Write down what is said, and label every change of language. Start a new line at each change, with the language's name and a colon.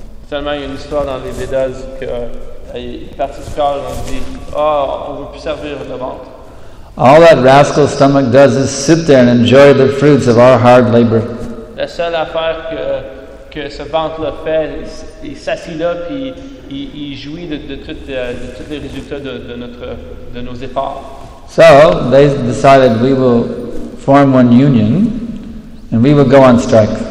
French: Seulement, il y a une histoire dans les Vedas que les parties du corps ont dit, oh, on ne veut plus servir le ventre.
English: All that rascal stomach does is sit there and enjoy the fruits of our hard labor.
French: La seule affaire que ce ventre-là fait, il s'assit là puis il jouit de tous les résultats de nos efforts.
English: So they decided we will form one union and we will go on strike.